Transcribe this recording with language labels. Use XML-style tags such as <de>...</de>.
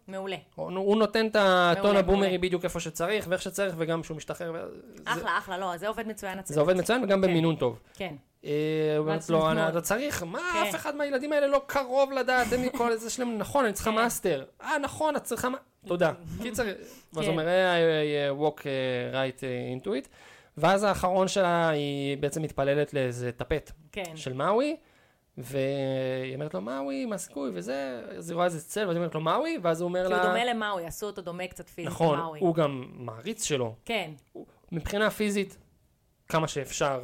<he>מעולה. הוא נותן את הטון הבומרי בדיוק איפה שצריך, ואיך שצריך, וגם שהוא משתחרר. אחלה, אחלה, לא, זה עובד מצוין. זה עובד מצוין, וגם במינון טוב. כן. לא, אתה צריך, מה אף אחד מהילדים האלה לא קרוב לדעת, זה מכל איזה שלם, נכון, אני צריכה מאסטר. אה, נכון, את צריכה, תודה. כי צריך, ואז אומר,</he> <en>I walk right into it.</en> <he>ואז האחרון שלה, היא בעצם מתפללת לאיזה טפט. כן. של מאווי, והיא אומרת לו, מאווי, מה סיכוי, וזה, אז היא רואה איזה צל, ואז היא אומרת לו, מאווי, ואז הוא אומר לה... כי הוא דומה למאווי, עשו אותו דומה קצת פיזית, מאווי. נכון, הוא גם מעריץ שלו. כן. מבחינה פיזית, כמה שאפשר.</he>